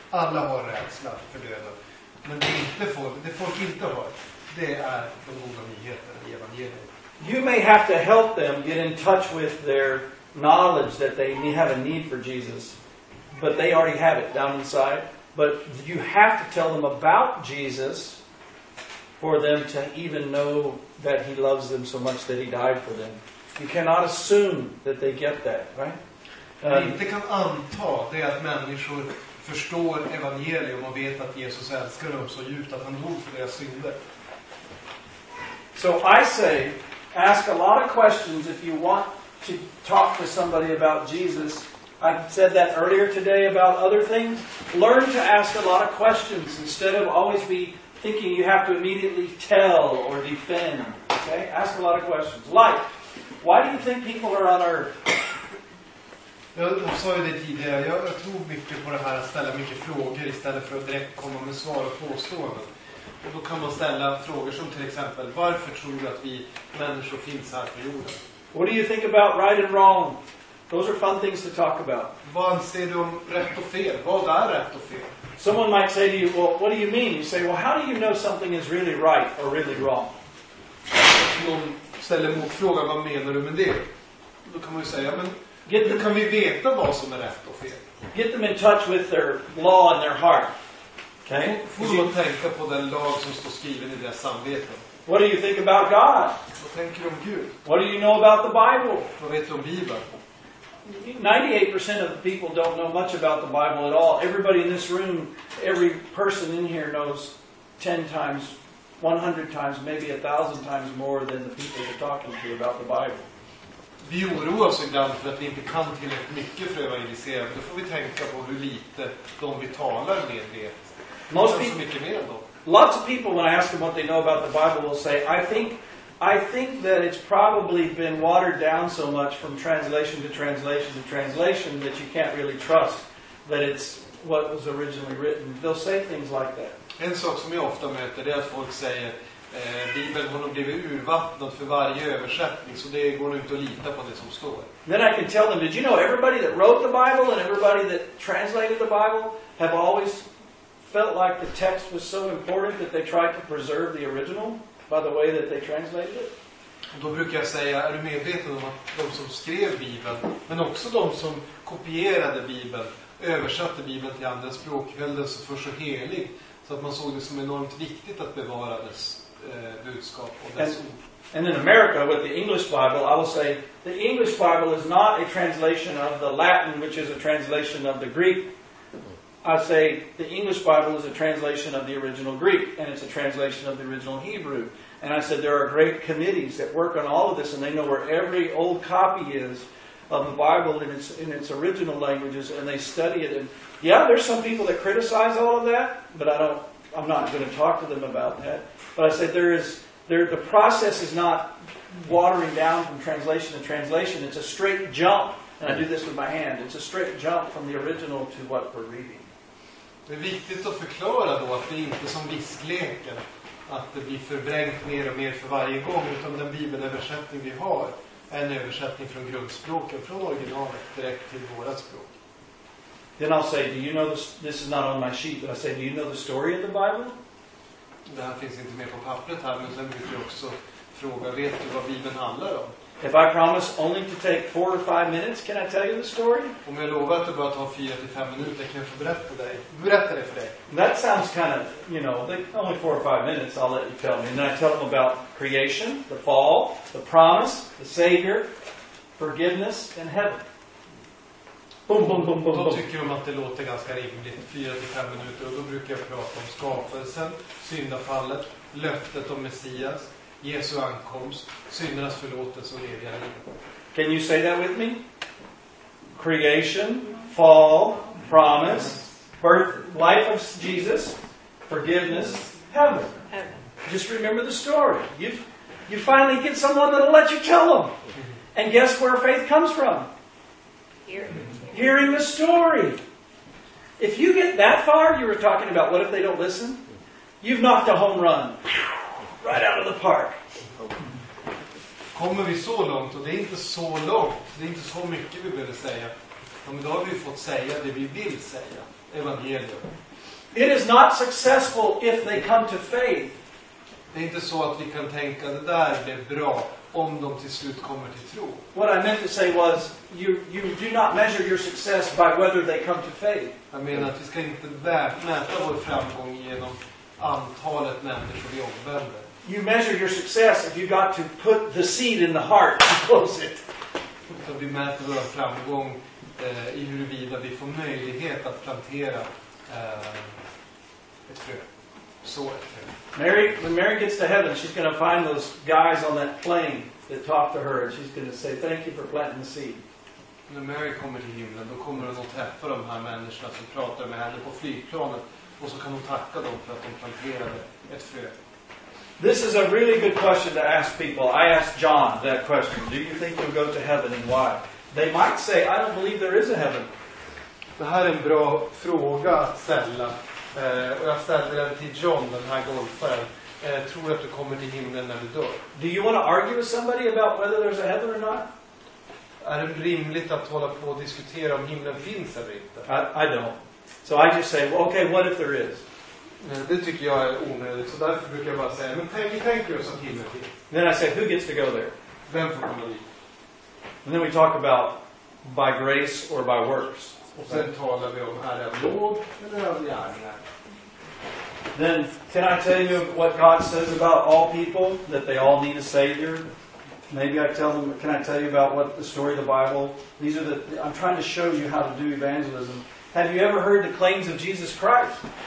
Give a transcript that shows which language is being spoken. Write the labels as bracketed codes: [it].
[sv] Alla har rädsla för döden. Men det folk inte har, det är de goda nyheterna i evangeliet. [en] You may have to help them get in touch with their knowledge that they have a need for Jesus, but they already have it down inside. But you have to tell them about Jesus for them to even know that he loves them so much that he died for them. You cannot assume that they get that, right? [sv] Det kan anta det att människor förstår evangelium och vet att Jesus älskar dem så djupt att han dog för deras synder. [en] So I say, ask a lot of questions if you want to talk to somebody about Jesus. I said that earlier today about other things. Learn to ask a lot of questions instead of always be thinking you have to immediately tell or defend. Okay? Ask a lot of questions. Like, why do you think people are on earth? [sv] Jag sa ju det tidigare. Jag tror mycket på det här att ställa mycket frågor istället för att direkt komma med svar och påståenden. Och då kan man ställa frågor som till exempel, varför tror du att vi människor finns här på jorden? [en] What do you think about right and wrong? Those are fun things to talk about. [sv] Vad anser du om rätt och fel? Vad är rätt och fel? [en] Someone might say to you, well, what do you mean? You say, well, how do you know something is really right or really wrong? [sv] Någon ställer motfrågan, vad menar du med det? Då kan man ju säga, men hur kan vi veta vad som är rätt och fel? [en] Get them in touch with their law in their heart. Okay? [sv] Får de tänka på den lag som står skriven i deras samveten? [en] What do you think about God? [sv] Vad tänker du om Gud? [en] What do you know about the Bible? [sv] Vad vet du om Bibeln? [en] 98% of the people don't know much about the Bible at all. Everybody in this room, every person in here knows 10 times, 100 times, maybe 1,000 times more than the people you're talking to about the Bible. [sv] Vi oroar oss ibland för att vi inte kan tillräckligt mycket för att vara initierade. Då får vi tänka på hur lite de vi talar med vet. [en] Most people, [sv] mycket mer då. [en] Lots of people when I ask them what they know about the Bible will say, I think that it's probably been watered down so much from translation to translation to translation that you can't really trust that it's what was originally written. They'll say things like that. [sv] En sak som jag ofta möter är att folk säger Bibeln har nog blivit urvattnat för varje översättning, så det går inte att lita på det som står. [en] Then I can tell them, did you know everybody that wrote the Bible and everybody that translated the Bible have always felt like the text was so important that they tried to preserve the original by the way that they translated it? [sv] Då brukar jag säga, är du medveten om att de som skrev Bibeln, men också de som kopierade Bibeln, översatte Bibeln till andra språk, höll den för så helig, så att man såg det som enormt viktigt att bevara dess budskap och dess ord. [en] And in America, with the English Bible, I will say, the English Bible is not a translation of the Latin, which is a translation of the Greek. I say, the English Bible is a translation of the original Greek, and it's a translation of the original Hebrew. And I said, there are great committees that work on all of this, and they know where every old copy is of the Bible in its original languages, and they study it. And yeah, there's some people that criticize all of that, but I'm not going to talk to them about that. But I said, the process is not watering down from translation to translation. It's a straight jump, and I do this with my hand. It's a straight jump from the original to what we're reading. [sv] Det är viktigt att förklara då att det inte är som viskleken att det blir förbränt mer och mer för varje gång, utan den bibelöversättning vi har är en översättning från grundspråken, från originalet direkt till våra språk. [en] Then I'll say, do you know this is not on my sheet, but I say, do you know the story of the Bible? [sv] Det här finns inte mer på pappret här, men sen vill jag också fråga, vet du vad Bibeln handlar om? [en] If I promise only to take 4 or 5 minutes, can I tell you the story? [sv] Om jag lovar att det bara tar 4 till 5 minuter, kan jag få berätta det för dig? [en] That sounds kind of, you know, only 4 or 5 minutes, I'll let you tell me. And I tell them about creation, the fall, the promise, the Savior, forgiveness, and heaven. Boom, boom, boom, boom, boom. [sv] Då tycker de att det låter ganska rimligt, 4 till 5 minuter. Och då brukar jag prata om skapelsen, syndafallet, löftet om Messias, Jesu ankomst, syndernas förlåtelse och eviga liv. [en] Can you say that with me? Creation, fall, promise, birth, life of Jesus, forgiveness, heaven. Just remember the story. You finally get someone that'll let you tell them. And guess where faith comes from? Hearing the story. If you get that far, you were talking about what if they don't listen? You've knocked a home run. Right out of the park. [sv] Kommer vi så långt, och det är inte så långt, det är inte så mycket vi behöver säga. Men idag har vi fått säga det vi vill säga, evangeliet. [en] It is not successful if they come to faith. [sv] Det är inte så att vi kan tänka det där blir bra om de till slut kommer till tro. [en] What I meant to say was, you do not measure your success by whether they come to faith. [sv] Jag menar att vi ska inte mäta vår framgång genom antalet människor vi omvänder. [en] You measure your success if you got to put the seed in the heart to close it. [sv] Så vi mäter vår framgång i huruvida vi får möjlighet att plantera ett frö. Så ett frö. [en] Mary, when Mary gets to heaven, she's going to find those guys on that plane that talk to her, and she's going to say, thank you for planting the seed. [sv] När Mary kommer till himlen, då kommer hon att träffa de här människorna som pratar med henne på flygplanet, och så kan hon tacka dem för att de planterade ett frö. [en] This is a really good question to ask people. I asked John that question. Do you think you'll go to heaven and why? They might say, I don't believe there is a heaven. [sv] Det här är en bra fråga att ställa. Och jag ställde den till John den här golfaren. Tror du att du kommer till himlen när du dör? [en] Do you want to argue with somebody about whether there's a heaven or not? [sv] Är det rimligt att hålla på och diskutera om himlen finns eller inte? [en] I don't. So I just say, well, okay, what if there is? [sv] Det tycker jag är onödigt, så därför brukar jag bara säga, men tänker oss att himlen finns. [en] Then I say, who gets to go there? [sv] Vem får komma dit? [en] And then we talk about by grace or by works. [sv] Och sen talar vi om, är det nåd eller är det gärningar? [en] Then, can I tell you what God says about all people, that they all need a savior? Maybe I tell them, can I tell you about what the story of the Bible? These are I'm trying to show you how to do evangelism. Have you ever heard the claims of Jesus Christ?